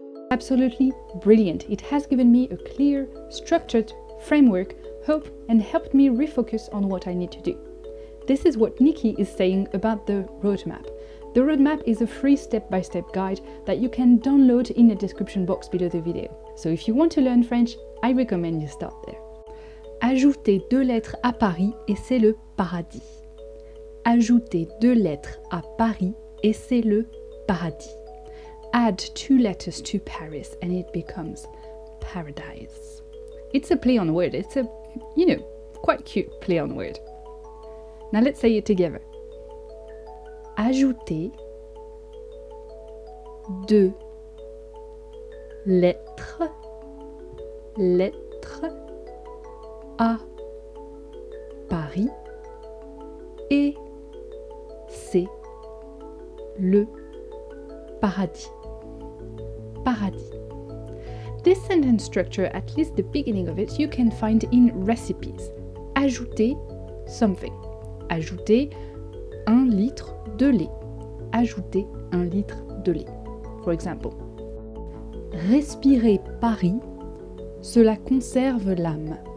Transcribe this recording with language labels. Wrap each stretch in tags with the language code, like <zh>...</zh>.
<en>Absolutely brilliant. It has given me a clear, structured framework, hope, and helped me refocus on what I need to do. This is what Nikki is saying about the roadmap. The roadmap is a free step-by-step guide that you can download in the description box below the video. So if you want to learn French, I recommend you start there.</en> <fr>Ajoutez deux lettres à Paris et c'est le paradis. Ajoutez deux lettres à Paris et c'est le paradis.</fr> <en>Add two letters to Paris and it becomes paradise. It's a play on word. It's a, you know, quite cute play on word. Now let's say it together.</en> <fr>Ajoutez deux lettres à Paris et c'est le paradis. Paradis.</fr> <en>This sentence structure, at least the beginning of it, you can find in recipes.</en> <fr>Ajoutez something. Ajoutez un litre de lait. Ajoutez un litre de lait.</fr> <en>For example.</en> <fr>Respirez Paris, cela conserve l'âme.</fr>